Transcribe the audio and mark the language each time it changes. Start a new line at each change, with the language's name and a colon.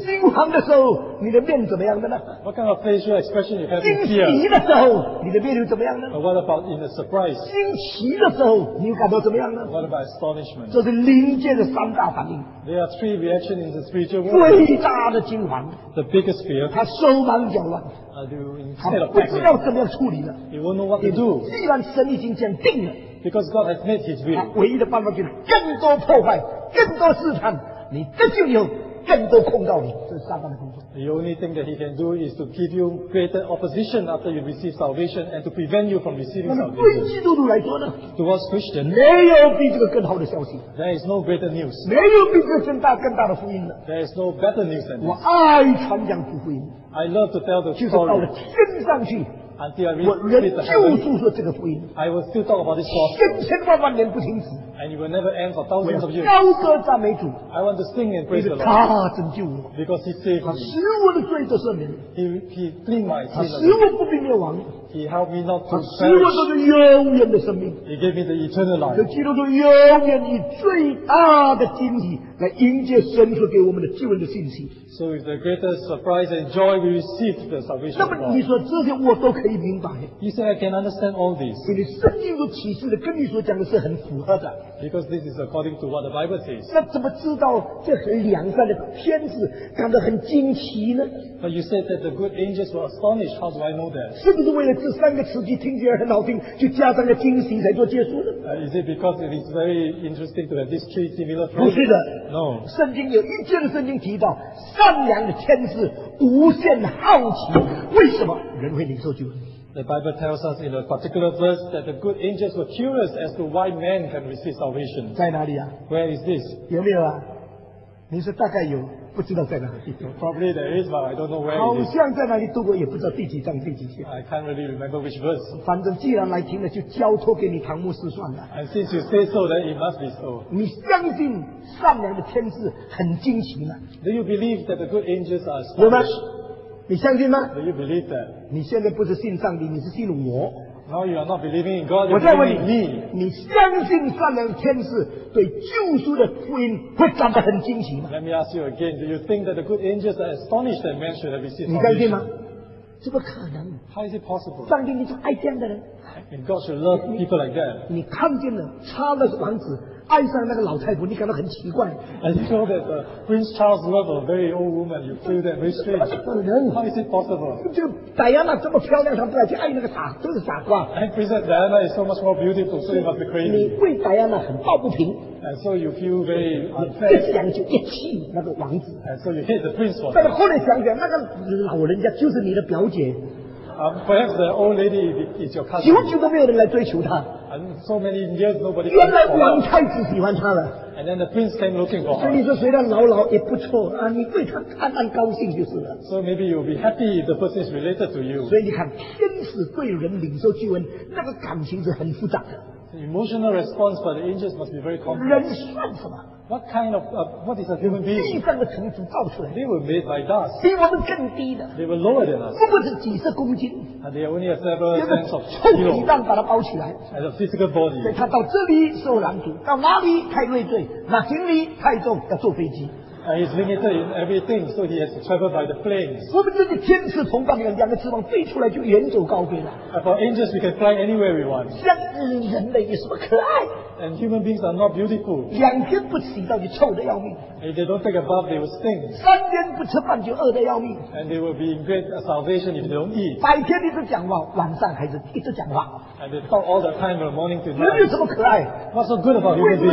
Chinese: 惊惶的时候，你的面怎么样的呢？
English: What kind of facial expression you have in fear?
Chinese: 惊喜的时候，你的面又怎么样呢？
English: What about in a surprise?
Chinese: 惊奇的时候，你又感到怎么样呢？
English: What about astonishment?
Chinese: 这是灵界的三大反应。
English: There are three reactions in the spiritual world.
Chinese: 最大的惊惶。
English: The biggest fear.
Chinese: 它手忙脚乱。他不知道怎么样处理了。既然神已经讲定了，
English: because God has made His will，
Chinese: 他唯一的办法就是更多破坏，更多试探。你得救以后，更多控告你，这是撒旦的工作。
English: The only thing that He can do is to give you greater opposition after you receive salvation and to prevent you from receiving salvation.
Chinese: 那么对基督徒来说呢？
English: To us Christians，
Chinese: 没有比这个更好的消息。
English: There is no greater news。
Chinese: 没有比这个更大的福音了。
English: There is no better news than this。
Chinese: 我爱传讲福音。
English: I love to tell the story。
Chinese: 就是到了天上去。
English: Until I read the heaven, I will still talk about this gospel. And it will never end for thousands of years. I want to sing and praise the Lord. Because He saved me. He cleaned my sin. He helped me not to perish. He gave me the eternal life.
Chinese: 基督徒永远以最大的惊喜来迎接神所给我们的救恩的信息。
English: So with the greatest surprise and joy we receive the salvation of God.
Chinese: 那么你说这些我都可以明白。
English: You say I can understand all this.
Chinese: 因为圣经所启示的跟你所讲的是很符合的。
English: Because this is according to what the Bible says.
Chinese: 那怎么知道这很良善的天使感到很惊奇呢？
English: But you said that the good angels were astonished. How do I know that?
Chinese: 是不是为了这三个词句听起来很好听，就加上个惊喜才做结束呢？
English: Is it because it is very interesting to have these three similar phrases?
Chinese: 不是的。
English: No.
Chinese: 圣经有一节的圣经提到善良的天使无限好奇为什么人会领受救恩。
English: The Bible tells us in a particular verse that the good angels were curious as to why men can receive salvation.
Chinese: 在哪里啊？
English: Where is this?
Chinese: 有没有啊？你说大概有，不知道在哪里。
English: Probably there is, but I don't know where it is.
Chinese: 好像在哪里读过，也不知道第几章第几节。
English: I can't really remember which verse.
Chinese: 反正既然来听了，就交托给你唐牧师算了。
English: And since you say so, then it must be so.
Chinese: 你相信善良的天使很惊奇吗？
English: Do you believe that the good angels are astonished?
Chinese: 你相信吗？
English: Do you believe that?
Chinese: 你现在不是信上帝，你是信我。
English: Now you are not believing in God.
Chinese: 我在问你，你相信善良的天使对救赎的福音会感到很惊奇吗？
English: Let me ask you again. Do you think that the good angels are astonished that men should have received salvation?
Chinese: 你相信吗？这不可能。
English: How is it possible?
Chinese: 上帝你就爱这样的人。
English: And God should love people like that.
Chinese: 你看见了查尔斯王子爱上那个老太婆，你感到很奇怪。
English: And you know that Prince Charles loved a very old woman. You feel that very strange.
Chinese: 不可能。
English: How is it possible?
Chinese: 就戴安娜这么漂亮，他不来去爱那个傻，真是傻瓜。
English: And Princess Diana is so much more beautiful, so you must be crazy.
Chinese: 你为戴安娜很抱不平。
English: And so you feel very unfair.
Chinese: 一想就一气那个王子。
English: And so you hate the prince for.
Chinese: 但是后来想想，那个老人家就是你的表姐。
English: Perhaps the old lady is your cousin.
Chinese: 久久都没有人来追求她。
English: And so many years nobody.
Chinese: 原来王太子喜欢她了。
English: And then the prince came looking for her.
Chinese: 所以你说虽然老老也不错啊，你对她暗暗高兴就是了。
English: So maybe you'll be happy if the person is related to you.
Chinese: 所以你看，天使对人领受救恩，那个感情是很复杂的。
English: The emotional response for the angels must be very complex.
Chinese: 人算什么？
English: What kind of what is a human being?
Chinese: 地上的尘土造出来。
English: They were made by dust.
Chinese: 比我们更低的。
English: They were lower than us.
Chinese: 不过是几十公斤。
English: And they are only a several tens of kilos.
Chinese: 臭皮蛋把它包起来。
English: As a physical body.
Chinese: 所以他到这里受拦阻，到哪里太累赘，那行李太重要坐飞机。
English: And he's limited in everything, so he has to travel by the planes.
Chinese: 我们这些天使同伴两个翅膀飞出来就远走高飞了。
English: For angels, we can fly anywhere we want.
Chinese: 像人类有什么可爱？
English: And human beings are not beautiful.
Chinese: 两天不洗澡就臭得要命。
English: If they don't take a bath, they will stink.
Chinese: 三天不吃饭就饿得要命。
English: And they will be in great starvation if they don't eat.
Chinese: 白天一直讲话，晚上还是一直讲话。
English: And they talk all the time from morning to night.
Chinese: 人有什么可爱？
English: What's so good about human beings?